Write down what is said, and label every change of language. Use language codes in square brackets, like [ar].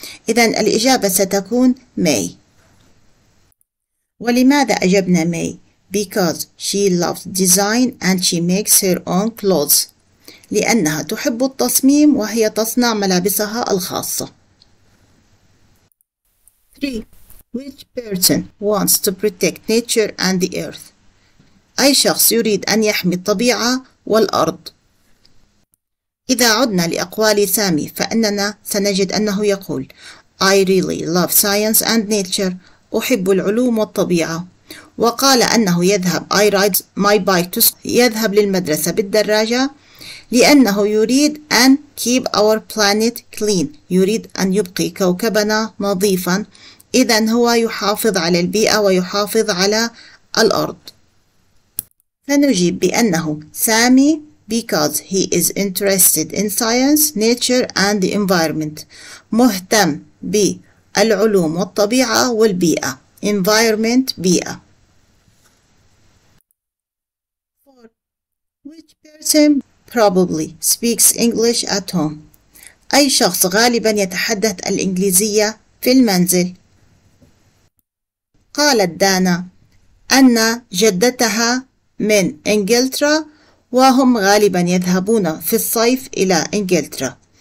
[ar] إذن الإجابة ستكون ماي. ولماذا أجبنا ماي؟ [en] Because she loves design and she makes her own clothes. [ar] لأنها تحب التصميم وهي تصنع ملابسها الخاصة. 3. [en] Which person wants to protect nature and the earth? [ar] أي شخص يريد أن يحمي الطبيعة والأرض؟ إذا عدنا لأقوال سامي فإننا سنجد أنه يقول [en] I really love science and nature. [ar] أحب العلوم والطبيعة. وقال أنه يذهب [en] I ride my bike to school. [ar] يذهب للمدرسة بالدراجة لأنه يريد أن [en] keep our planet clean. [ar] يريد أن يبقي كوكبنا نظيفا. إذن هو يحافظ على البيئة ويحافظ على الأرض. فنجيب بأنه سامي [en] because he is interested in science, nature and the environment. [ar] مهتم بالعلوم والطبيعة والبيئة. Environment بيئة. [en] Which person probably speaks English at home? [ar] أي شخص غالبا يتحدث الإنجليزية في المنزل؟ قالت دانا أن جدتها من إنجلترا وهم غالبا يذهبون في الصيف إلى إنجلترا.